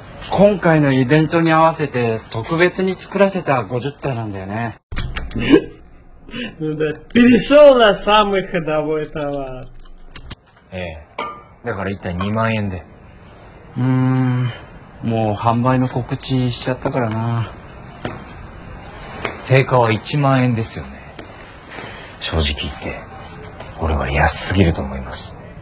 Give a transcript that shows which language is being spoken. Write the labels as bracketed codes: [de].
[ja] 今回のイベントに合わせて特別に作らせた50体なんだよね。 [ru] ну да, перешел на самый ходовой товар. [ja] ええ、だから一体2万円で。もう販売の告知しちゃったからな。定価は1万円ですよね。正直言って、俺は安すぎると思います。